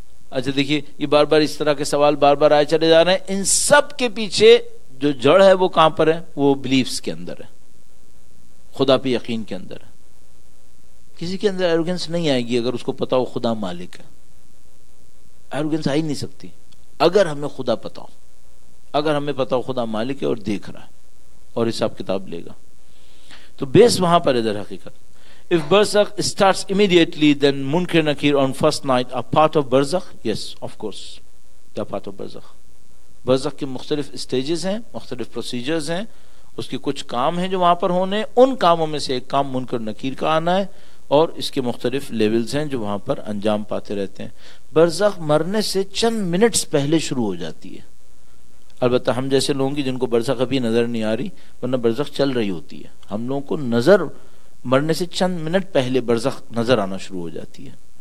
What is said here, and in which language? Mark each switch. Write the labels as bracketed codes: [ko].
[ur] اچھا دیکھیے یہ بار بار اس طرح کے سوال بار بار آئے چلے جا رہے ہیں. ان سب کے پیچھے جو جڑ ہے وہ کہاں پر ہے؟ وہ بلیفس کے اندر ہے، خدا پہ یقین کے اندر ہے. کسی کے اندر ایروگنس نہیں آئے گی اگر اس کو پتا ہو خدا مالک ہے، ایروگنس آ ہی نہیں سکتی. اگر ہمیں خدا پتا ہو، اگر ہمیں پتا ہو خدا مالک ہے اور دیکھ رہا ہے اور حساب کتاب لے گا. تو بیس وہاں پر ہے در حقیقت. [en] If Barzakh starts immediately, then Munkar Nakir on first night are part of Barzakh. Yes, of course, they are part of Barzakh. [ur] Barzakh کے مختلف stages ہیں، مختلف procedures ہیں، اس کے کچھ کام ہیں جو وہاں پر ہونے، ان کاموں میں سے ایک کام منکر نکیر کا آنا ہے، اور اس کے مختلف لیولز ہیں جو وہاں پر انجام پاتے رہتے ہیں. برزخ مرنے سے چند منٹس پہلے شروع ہو جاتی ہے، البتہ ہم جیسے لوگوں کی جن کو برزخ ابھی نظر نہیں آ رہی، ورنہ برزخ چل رہی ہوتی ہے، ہم لوگوں کو نظر مرنے سے چند منٹ پہلے برزخ نظر آنا شروع ہو جاتی ہے.